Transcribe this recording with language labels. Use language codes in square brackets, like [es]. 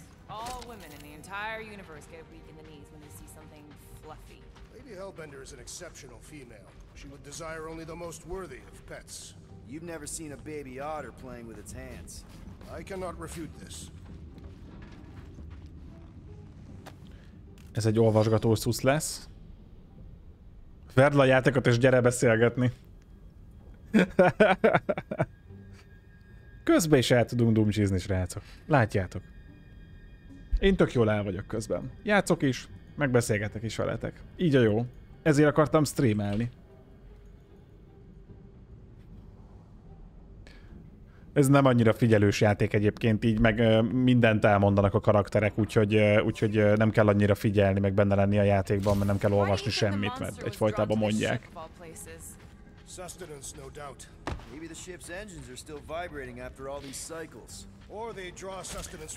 [en] All women in the entire universe get weak in the knees when they see something fluffy. Lady Hellbender is an exceptional female. She would desire only the most worthy of pets. You've never seen a baby otter playing with its hands. I cannot refute this. [hu] Ez egy olvasgató szusz lesz. Verd le a játékot és gyere beszélgetni. Közben is el tudunk dumcsizni, srácok. Látjátok. Én tök jól el vagyok közben. Játszok is, megbeszélgetek is veletek. Így a jó. Ezért akartam streamelni. Ez nem annyira figyelős játék egyébként, így meg mindent elmondanak a karakterek, úgyhogy nem kell annyira figyelni, meg benne lenni a játékban, mert nem kell olvasni semmit, mert egyfolytában mondják. [en] Sustenance, no doubt. Maybe the ship's engines are still vibrating after all these cycles. Or they draw sustenance.